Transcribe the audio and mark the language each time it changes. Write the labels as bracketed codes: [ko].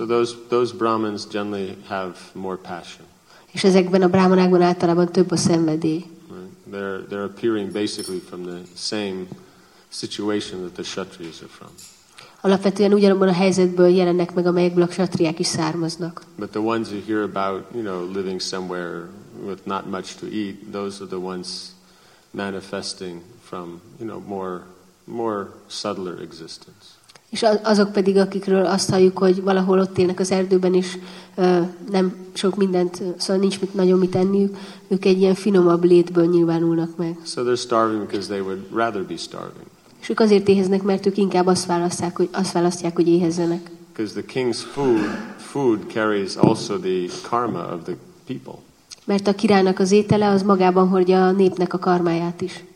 [en] So those brahmins generally have more passion. [hu] És ezekben a brahmanákban általában több a szenvedély. [en] They're appearing basically from the same situation that the kshatriyas are from. [hu] Alapvetően ugyanabban a helyzetből jelennek meg, amelyekből a kshatriák is származnak. [en] But the ones you hear about, you know, living somewhere with not much to eat, those are the ones manifesting from, you know, more subtler existence. [hu] És azok pedig, akikről azt halljuk, hogy valahol ott élnek az erdőben, és nem sok mindent, szóval nincs mit, nagyon mit enniük, ők egy ilyen finomabb létből nyilvánulnak meg. [en] So they're starving because they would rather be starving. [hu] És ők azért éheznek, mert ők inkább azt választják, hogy éhezzenek. [en] Because the king's food carries also the karma of the people. [hu] Mert a királynak az étele az magában hordja a népnek a karmáját is.